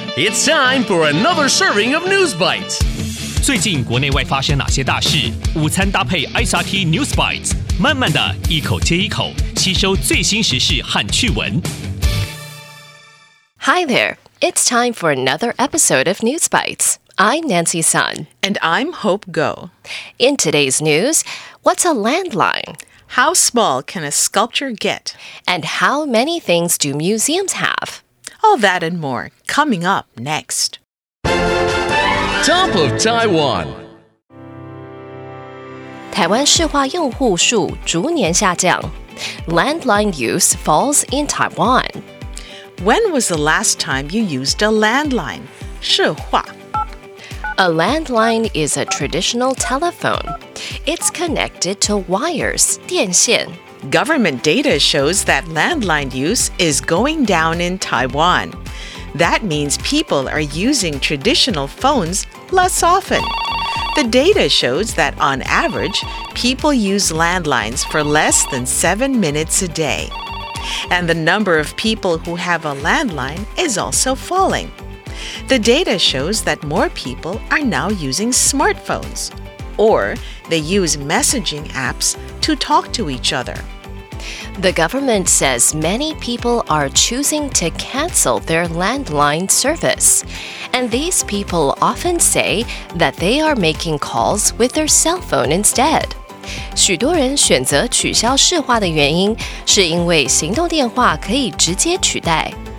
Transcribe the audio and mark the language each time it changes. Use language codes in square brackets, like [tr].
[en] It's time for another serving of News Bites. [zh] 最近国内外发生哪些大事？午餐搭配 SRT News Bites， 慢慢的一口接一口，吸收最新时事和趣闻。 [en] Hi there, it's time for another episode of News Bites. I'm Nancy Sun. And I'm Hope Ngo. In today's news, what's a landline? How small can a sculpture get? And how many things do museums have? All that and more, coming up next. Top of Taiwan. [zh] 台湾市话用户数逐年下降。 [en] Landline use falls in Taiwan. When was the last time you used a landline? [zh] 市话。 [en] A landline is a traditional telephone. It's connected to wires, 电线. Government data shows that landline use is going down in Taiwan. That means people are using traditional phones less often. The data shows that on average, people use landlines for less than 7 minutes a day. And the number of people who have a landline is also falling. The data shows that more people are now using smartphones, or they use messaging apps to talk to each other. The government says many people are choosing to cancel their landline service, and these people often say that they are making calls with their cell phone instead. [zh] 许多人选择取消市话的原因是因为行动电话可以直接取代。